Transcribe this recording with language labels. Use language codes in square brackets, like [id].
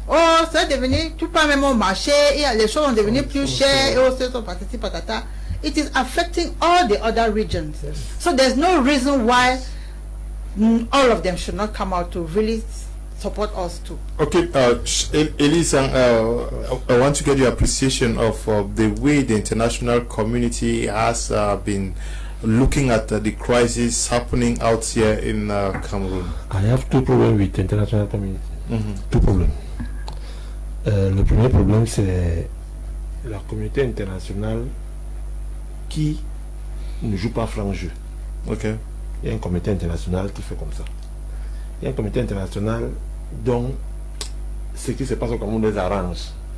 [fr] Oh, ça est devenu, tout pas même au marché, les choses sont devenues plus chères, et patati patata. [en] It is affecting all the other regions. Yes. So there's no reason why all of them should not come out to really support us too. Okay, Elisa, I want to get your appreciation of the way the international community has been looking at the crisis happening out here in Cameroon. I have two problems with the international community. Mm-hmm. Two problems. [fr] Le premier problème, c'est la communauté internationale qui ne joue pas franc jeu. [en] Okay. [fr] Il y a un comité international qui fait comme ça. Il y a un comité international dont ce qui se passe au Cameroun les arrange.